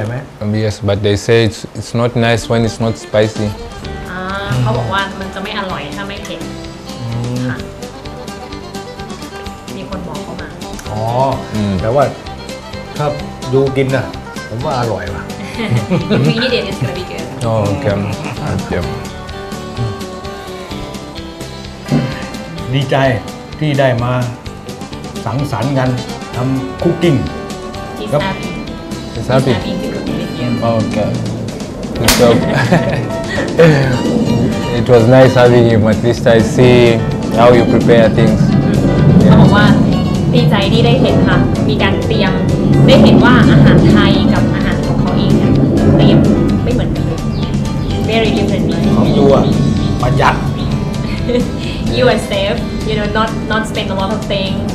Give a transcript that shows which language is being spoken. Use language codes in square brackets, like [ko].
[en] ไหม Yes but they say it's not nice when it's not spicy [th] เขาบอกว่ามันจะไม่อร่อยถ้าไม่เผ็ดมีคนบอกเข้ ามา อ๋อแต่ว่าถ้าดูกินอ่ะผมว่าอร่อยว่ะ [en] If you eat it it's gonna be good [th] โอเคครับเ ดี๋ยว ดีใจที่ได้มาสังสรรค์กันทำคุกกิ้ง [en] ครับ He's happy. He's happy. He's happy to cook with you. Okay. Good job. It was nice having him. At least I see how you prepare things. [th] เขาบอกว่าดีใจที่ได้เห็นค่ะมีการเตรียมได้เห็นว่าอาหารไทยกับอาหารของเขาเองเนี่ยเตรียมไม่เหมือนกันเลย [en] Very different. [th] ของตัวประหยัด [en] You are safe. You know, not spend a lot of things.